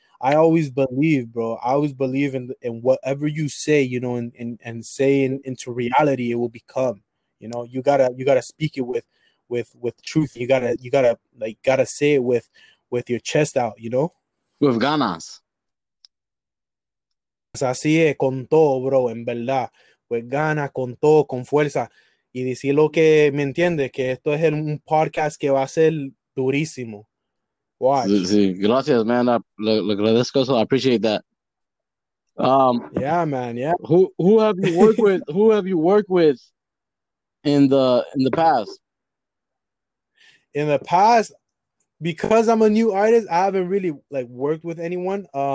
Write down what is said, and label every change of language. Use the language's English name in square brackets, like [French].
[English] I always believe, bro. I always believe in whatever you say, you know, and say into reality, it will become. You know, you gotta speak it with truth. You gotta say it with your chest out, you know? With ganas. [Spanish] Así es, con todo, bro, en verdad. [English] With ganas, [Spanish] con todo, con fuerza. Y decir lo que me entiende, que esto es un podcast que va a ser durísimo. [English] Watch. See, gracias, man. Let's go. So I appreciate that. Yeah, man. Yeah. Who have you worked with? Who have you worked with in the past? In the past, because I'm a new artist, I haven't really like worked with anyone.